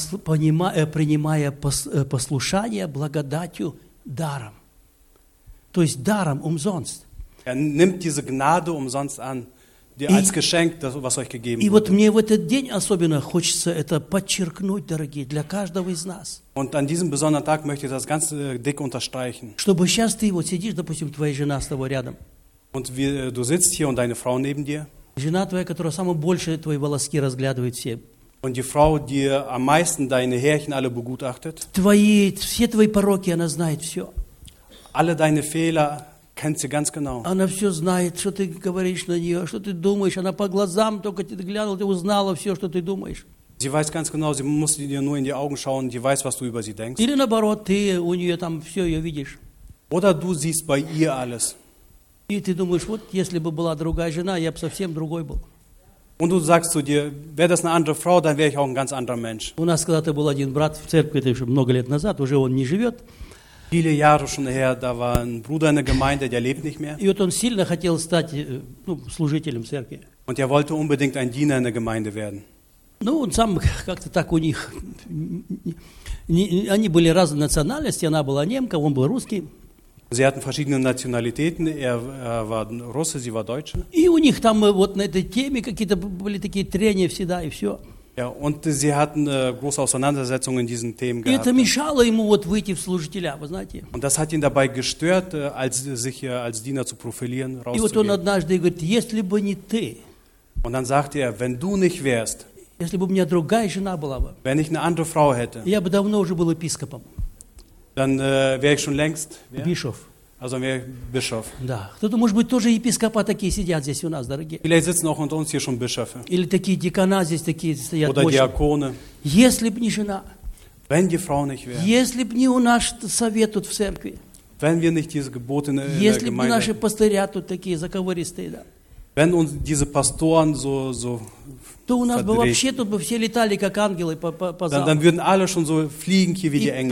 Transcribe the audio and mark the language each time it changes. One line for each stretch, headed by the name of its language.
Russian: принимая послушание благодатью даром. То есть даром, умсонст.
German: Er nimmt diese Gnade umsonst an, die als Geschenk, das, was euch gegeben wurde.
Russian: И вот мне в этот день особенно хочется это подчеркнуть, дорогие, для каждого из нас.
German: Und an diesem besonderen Tag möchte ich das ganz dick unterstreichen.
Russian: Чтобы сейчас ты вот сидишь, допустим, твоя жена с тобой рядом.
German: Und wie, du sitzt hier und deine Frau neben dir.
Russian: Жена твоя, которая самую больше твои волоски разглядывает все.
German: Und die Frau, die am meisten deine Härchen alle begutachtet.
Russian: Твои, все твои пороки, она знает все.
German: Alle deine Fehler kennt sie ganz genau.
Russian: Она все знает, что ты говоришь на нее, что ты думаешь. Она по глазам только тебе глянула, ты узнала все, что ты думаешь.
German: Sie weiß ganz genau, sie muss dir nur in die Augen schauen, die weiß, was du über sie denkst.
Russian: Или наоборот, ты у нее там все ее видишь.
German: Oder du siehst bei ihr alles.
Russian: И ты думаешь, вот если бы была другая жена, я бы совсем другой был.
German: Und du sagst zu dir, wäre das eine andere Frau, dann wäre ich auch ein ganz anderer Mensch.
Russian: У нас когда-то был один брат в церкви, это много лет назад, уже он не живет.
German: Viele Jahre schon her, da war ein Bruder in der Gemeinde, der lebt nicht mehr.
Russian: И вот он сильно хотел стать, ну, служителем церкви.
German: Und er wollte unbedingt ein Diener in der Gemeinde werden.
Russian: Ну, он сам как-то так у них, они были разной национальности, она была немка, он был русский.
German: Sie hatten verschiedene Nationalitäten. Er war Russe, sie war Deutsche.
Russian: И у них там вот на этой теме какие-то были такие трения всегда и все.
German: Ja, und sie hatten große Auseinandersetzungen in diesen Themen gehabt.
Russian: Это мешало ему вот выйти в служителя, вы знаете.
German: Und das hat ihn dabei gestört, als sich als Diener zu profilieren, rauszugehen.
Russian: И вот он однажды говорит, если бы не ты.
German: Und dann sagt er, wenn du nicht wärst.
Russian: Если бы у меня другая жена была бы.
German: Wenn ich eine andere Frau hätte.
Russian: Я бы давно уже был епископом.
German: Dann wäre ich schon längst. Wer? Bischof. Also wäre ich Bischof.
Russian: Да. Кто-то, может быть, тоже епископа такие сидят здесь у нас, дорогие.
German: Vielleicht sitzen auch unter uns hier schon Bischöfe.
Russian: Или такие дикана здесь такие стоят.
German: Oder Diakone.
Russian: Если бы не жена.
German: Wenn die Frau nicht wäre.
Russian: Если бы не у нас совет тут в церкви.
German: Wenn wir nicht dieses Gebot in der Gemeinde.
Russian: Если бы наши пастыря тут такие заковыристые, да.
German: Wenn uns diese Pastoren so
Russian: то у нас бы вообще тут бы все летали как ангелы по залу.
German: Dann würden alle schon so fliegen hier wie die Engel.